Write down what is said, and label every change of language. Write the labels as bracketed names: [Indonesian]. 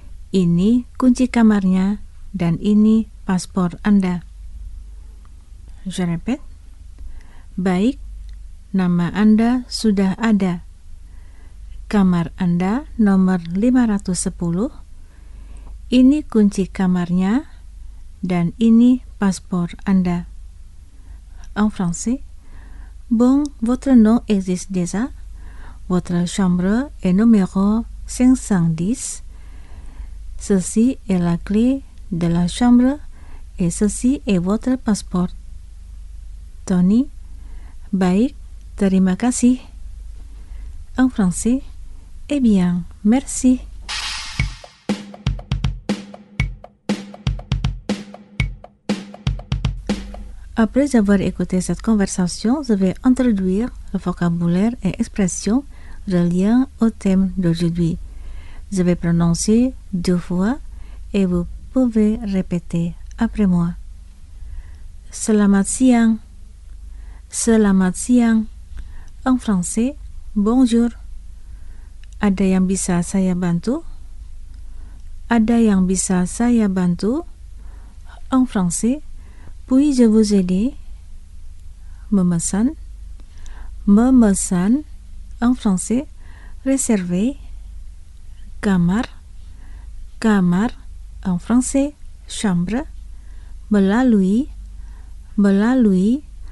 [Indonesian] Ini kunci kamarnya dan ini paspor Anda. [French] Je répète. [Indonesian] Baik, nama Anda sudah ada. Kamar Anda nomor 510. Ini kunci kamarnya dan ini paspor Anda. [French] En français. Bon, votre nom existe déjà? Votre chambre est numéro 510. Ceci est la clé de la chambre et ceci est votre passeport. Tony. [Indonesian] Baik, terima kasih. [French] En français, eh bien, merci. Après avoir écouté cette conversation, je vais introduire le vocabulaire et expressions reliant au thème d'aujourd'hui. Je vais prononcer deux fois et vous pouvez répéter après moi. [Indonesian] Selamat siang. Selamat siang. [French] En français, bonjour. [Indonesian] Ada yang bisa saya bantu? Ada yang bisa saya bantu? [French] En français, puis-je vous aider? [Indonesian] Memesan. Memesan. [French] En français, réserver. [Indonesian] Kamar. Kamar. [French] En français, chambre. Melalui. Melalui.